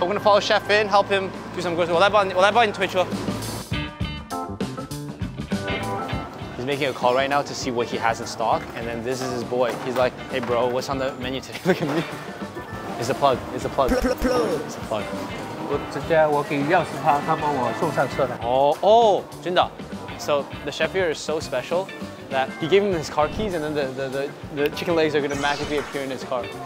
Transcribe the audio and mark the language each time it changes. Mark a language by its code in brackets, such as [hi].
[en] We're gonna follow Chef in, help him do some grocery. [zh] 我来帮你推车。 [en] He's making a call right now to see what he has in stock, and then this is his boy. He's like, hey bro, what's on the menu today? Look at me. It's a plug. It's a plug. It's a plug. [zh] 我直接我给钥匙他，他帮我送上车的。哦哦，真的。 [en] So the chef here is so special that he gave him his car keys, and then the chicken legs are gonna magically appear in his car.